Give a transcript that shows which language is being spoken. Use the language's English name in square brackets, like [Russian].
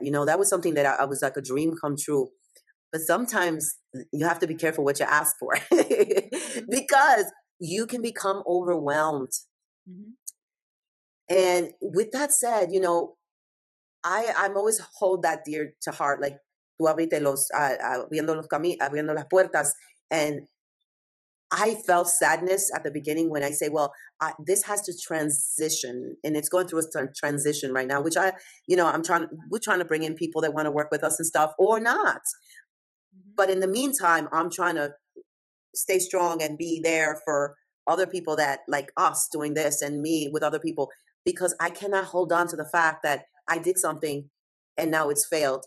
[English] You know, that was something that I was like a dream come true. But sometimes you have to be careful what you ask for because you can become overwhelmed. Mm-hmm. And with that said, you know, I'm always hold that dear to heart. Like, [Spanish] tú abriste los, abriendo los caminos, abriendo las puertas. [English] And I felt sadness at the beginning when I say, well, this has to transition and it's going through a transition right now, which we're trying to bring in people that want to work with us and stuff or not. But in the meantime, I'm trying to stay strong and be there for other people that like us doing this and me with other people, because I cannot hold on to the fact that I did something and now it's failed.